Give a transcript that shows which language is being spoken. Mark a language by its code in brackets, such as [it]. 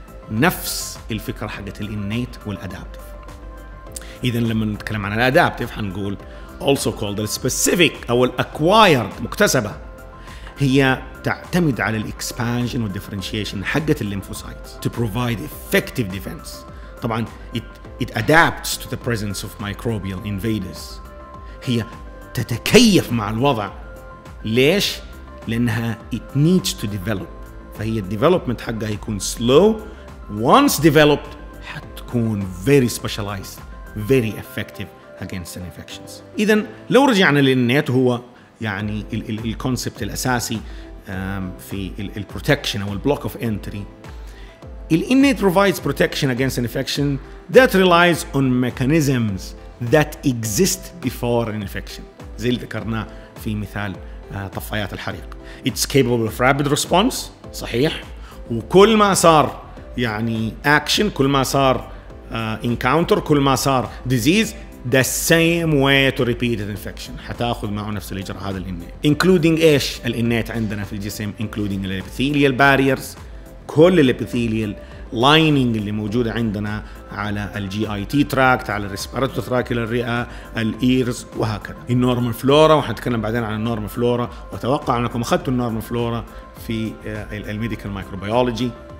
[ar] نفس الفكرة حقت الإنيت والأدابتف. إذن لما نتكلم عن الأدابتف حنقول [en] also called the specific [ar] أو الأكوايرد، مكتسبة، هي تعتمد على الإكسبانشن والديفرنشيشن حقت الليمفوسايت [en] to provide effective defense. [ar] طبعا [en] it adapts to the presence of microbial invaders. [ar] هي تتكيف مع الوضع. ليش؟ لأنها [en] it needs to develop. [ar] فهي development حقها هيكون slow. [en] Once developed هتكون very specialized, very effective against an infections. [ar] إذن لو رجعنا للنيت هو يعني الconcept الأساسي في protection أو [en] block of entry. The innate provides protection against an infection that relies on mechanisms that exist before an infection. [ar] زي اللي ذكرناه في مثال طفايات الحريق. [en] It's capable of rapid response. [ar] صحيح. وكل ما صار يعني action, كل ما صار encounter, كل ما صار disease, [en] the same way to repeat an infection. [ar] حتاخذ معه نفس الإجراء هذا innate. [en] Including [ar] إيش innate عندنا في الجسم. [en] Including the epithelial barriers. [ar] كل الابيثيليال لايننج اللي موجوده عندنا على الجي اي تي تراكت, على الريسبيراتوري تراكت للرئه, الايرز, وهكذا. النورمال فلورا, وحنتكلم بعدين عن النورمال فلورا, واتوقع انكم اخذتوا النورمال فلورا في الميديكال مايكروبيولوجي.